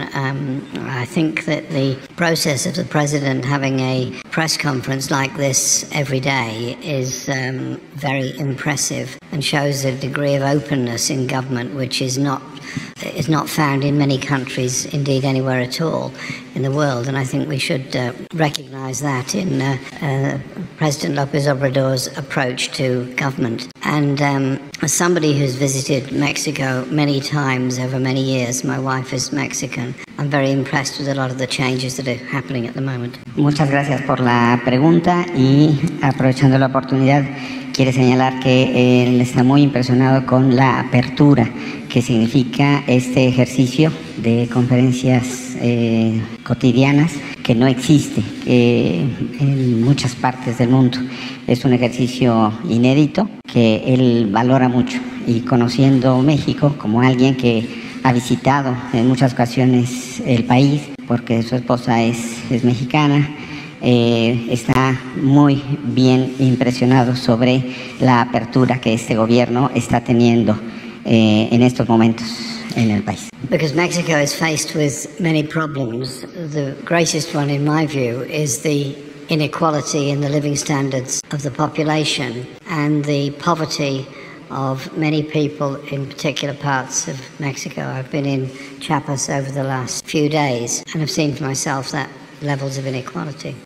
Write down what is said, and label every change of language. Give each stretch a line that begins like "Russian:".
English: I think that the process of the president having a press conference like this every day is very impressive and shows a degree of openness in government which is not found in many countries, indeed anywhere at all in the world, and I think we should recognize that in President López Obrador's approach to government. And as somebody who's visited Mexico many times over many years, my wife is Mexican, I'm very impressed with a lot of the changes that are happening at the moment.
Spanish: Muchas gracias por la pregunta y aprovechando la oportunidad quiere señalar que él está muy impresionado con la apertura que significa este ejercicio de conferencias cotidianas que no existe en muchas partes del mundo. Es un ejercicio inédito que él valora mucho y conociendo México como alguien que ha visitado en muchas ocasiones el país porque su esposa es mexicana, está muy bien impresionado sobre la apertura que este gobierno está teniendo en estos momentos en el país.
English: Because Mexico is faced with many problems. The greatest one, in my view, is the inequality in the living standards of the population and the poverty of many people in particular parts of Mexico. I've been in Chiapas over the last few days and I've seen for myself that levels of inequality.